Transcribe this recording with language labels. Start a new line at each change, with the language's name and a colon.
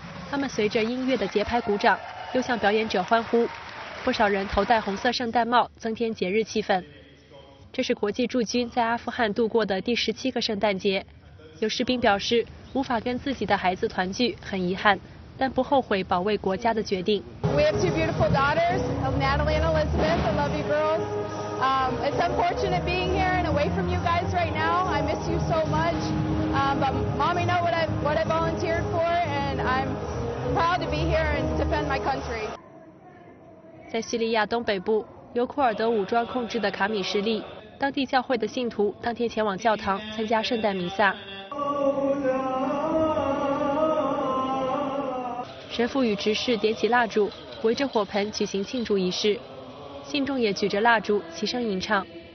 Chinese: 他们随着音乐的节拍鼓掌，又向表演者欢呼。不少人头戴红色圣诞帽，增添节日气氛。这是国际驻军在阿富汗度过的第17个圣诞节。有士兵表示，无法跟自己的孩子团聚，很遗憾，但不后悔保卫国家的决定。
English: We have two beautiful daughters, Natalie and Elizabeth. I love you girls. It's unfortunate being here and away from you guys right now. I miss you so much. But mommy knows what I volunteered for, and I'm proud to be here and defend my country.
Chinese: 在叙利亚东北部。由库尔德武装控制的卡米什利，当地教会的信徒当天前往教堂参加圣诞弥撒。神父与执事点起蜡烛，围着火盆举行庆祝仪式，信众也举着蜡烛齐声吟唱。